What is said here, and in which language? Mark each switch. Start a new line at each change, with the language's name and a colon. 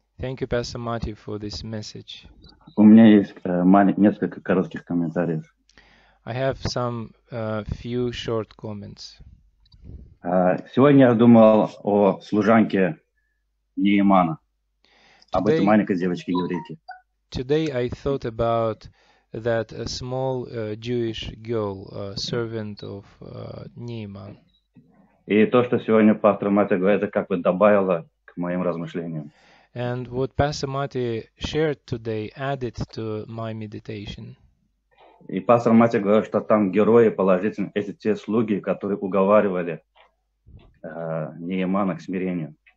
English: Thank you, Pastor Matti, for this message.
Russian: У меня есть несколько коротких комментариев.
English: I have some few short comments.
Russian: Сегодня я думал о служанке Неймана, об этой маленькой девочке еврейке.
English: Today I thought about that a small Jewish girl, servant of Neiman.
Russian: И то, что сегодня пастор Матти говорит, это как бы добавило к моим размышлениям.
English: And what Pastor Matti shared today added to my meditation.
Russian: И пастор Матти говорил, что там герои положительные, эти те слуги, которые уговаривали Неймана к смирению.